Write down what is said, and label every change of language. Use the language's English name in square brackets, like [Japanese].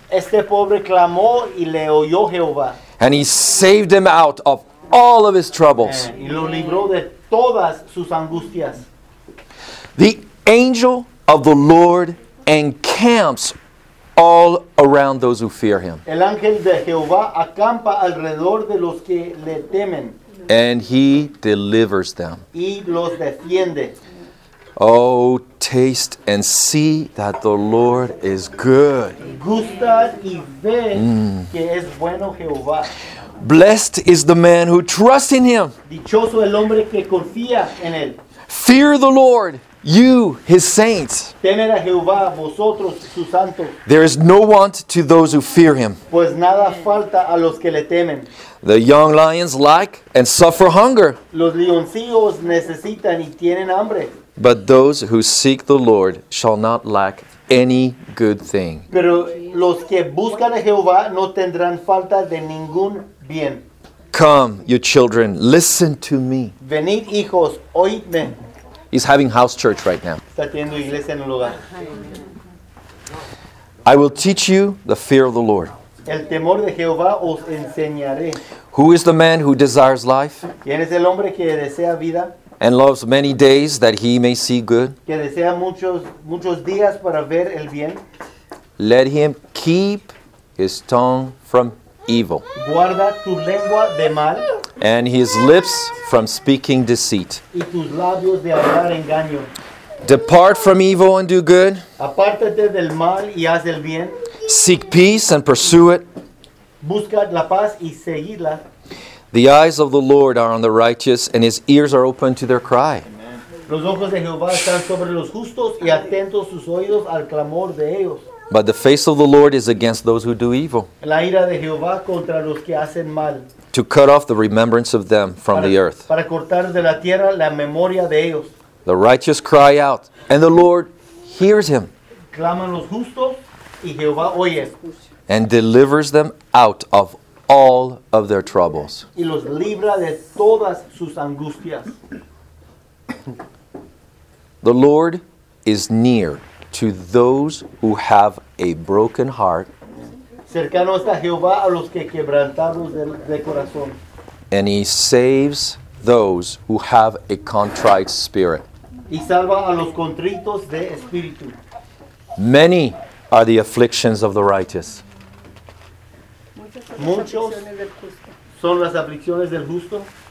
[Spanish] Este pobre clamó y le oyó Jehová. [English] And he saved him out of all of his troubles. [Spanish] Y lo libró de todas sus angustias. [English] The angel of the Lord encamps all around those who fear him. [Spanish] El ángel de Jehová acampa alrededor de los que le temen. [English] And he delivers them. [Spanish] Y los defiende. [English] Oh, taste and see that the Lord is good. [Spanish] Gusta y ve que es bueno Jehová. [English] Blessed is the man who trusts in him. [Spanish] Dichoso el hombre que confía en él. [English] Fear the Lord, you, his saints. [Spanish] Temed a Jehová, vosotros, sus santos. [English] There is no want to those who fear him. [Spanish] Pues nada falta a los que le temen. [English] The young lions lack and suffer hunger. [Spanish] Los leoncillos necesitan y tienen hambre. [English] But those who seek the Lord shall not lack any good thing. [Spanish] Pero los que buscan a Jehová no tendrán falta de ningún bien. [English] Come, you children, listen to me. [Spanish] Venid, hijos, oídme. [English] He's having house church right now. [Spanish] Está teniendo iglesia en un lugar. [English] I will teach you the fear of the Lord. [Spanish] El temor de Jehová os enseñaré. [English] Who is the man who desires life? [Spanish] ¿Quién es el hombre que desea vida? [English] And loves many days that he may see good? [Spanish] Que desea muchos días para ver el bien. [English] Let him keep his tongue from evil. [Spanish] Guarda tu lengua de mal. [English] And his lips from speaking deceit. [Spanish] Y tus labios de hablar engaño. [English] Depart from evil and do good. [Spanish] Apártate del mal y haz el bien. [English] Seek peace and pursue it. [Spanish] Busca la paz y seguidla. [English] The eyes of the Lord are on the righteous, and his ears are open to their cry. [Spanish] Los ojos de Jehová están sobre los justos y atentos sus oídos al clamor de ellos. [English] But the face of the Lord is against those who do evil. [Spanish] La ira de Jehová contra los que hacen mal. [English] To cut off the remembrance of them from the earth. [Spanish] Para cortar de la tierra la memoria de ellos. [English] The righteous cry out, and the Lord hears him. [Spanish] Claman los justos y Jehová oye. [English] And delivers them out of all of their troubles. [Spanish] Y los libra de todas sus angustias. [English] The Lord is near to those who have a broken heart. [Spanish] Cercano está Jehová a los que quebrantados de corazón. [English] And he saves those who have a contrite spirit. [Spanish] Y salva a los contritos de espíritu. [English] Many are the afflictions of the righteous. [Spanish] Muchos son las aflicciones del justo.